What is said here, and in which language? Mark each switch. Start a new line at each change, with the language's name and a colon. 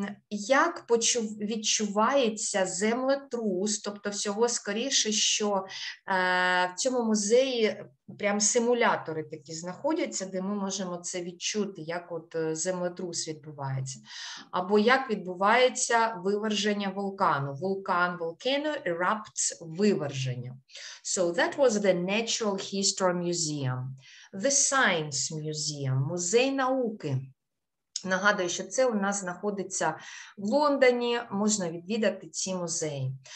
Ukrainian: як відчувається землетрус, тобто всього скоріше, що в цьому музеї прям симулятори такі знаходяться, де ми можемо це відчути, як от землетрус відбувається, або як відбувається виверження вулкану, вулкан,
English: volcano erupts,
Ukrainian: виверження.
English: So that was the Natural History Museum. The Science Museum,
Ukrainian: музей науки. Нагадую, що це у нас знаходиться в Лондоні, можна відвідати ці музеї.